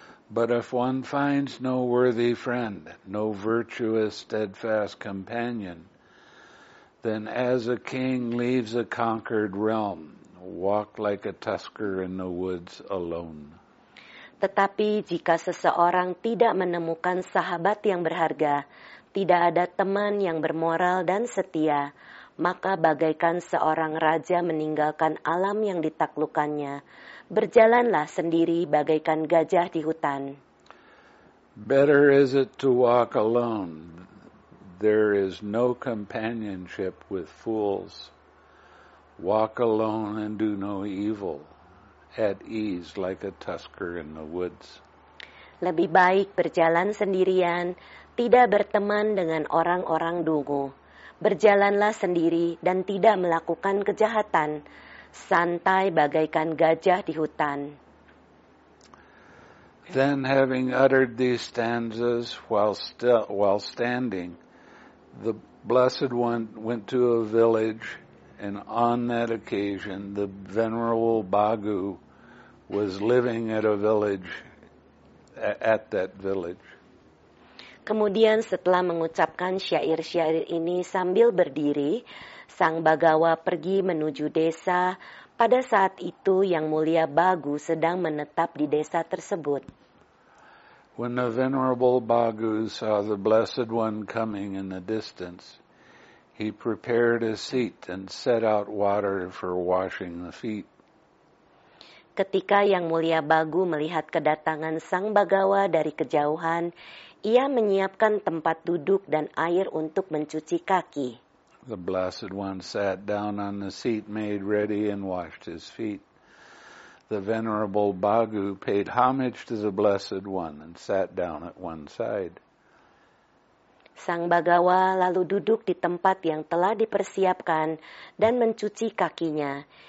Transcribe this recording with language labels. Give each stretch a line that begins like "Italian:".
English: But if one finds no worthy friend, no virtuous, steadfast companion, then as a king leaves a conquered realm, walk like a tusker in the woods alone.
Indonesian: Tetapi jika seseorang tidak menemukan sahabat yang berharga, tidak ada teman yang bermoral dan setia, maka bagaikan seorang raja meninggalkan alam yang ditaklukannya, berjalanlah sendiri bagaikan gajah di hutan.
English: Better is it to walk alone. There is no companionship with fools. Walk alone and do no evil, at ease like a tusker in the woods.
Indonesian: Lebih baik berjalan sendirian, tidak berteman dengan orang-orang dungu. Berjalanlah sendiri dan tidak melakukan kejahatan, santai bagaikan gajah di hutan.
English: Then having uttered these stanzas while standing, the Blessed One went to a village, and on that occasion the Venerable Bhagu was living at a village at that village.
Indonesian: Kemudian setelah mengucapkan syair-syair ini sambil berdiri, Sang Bhagawa pergi menuju desa. Pada saat itu Yang Mulia Bhagu sedang menetap di desa tersebut.
English: When the Venerable Bhagu saw the Blessed One coming in the distance, he prepared a seat and set out water for washing the feet.
Indonesian: Ketika Yang Mulia Bhagu melihat kedatangan Sang Bhagawa dari kejauhan, ia menyiapkan tempat duduk dan air untuk mencuci kaki.
English: The Blessed One sat down on the seat made ready and washed his feet. The Venerable Bhagu paid homage to the Blessed One and sat down at one side.
Indonesian: Sang Bhagawa lalu duduk di tempat yang telah dipersiapkan dan mencuci kakinya.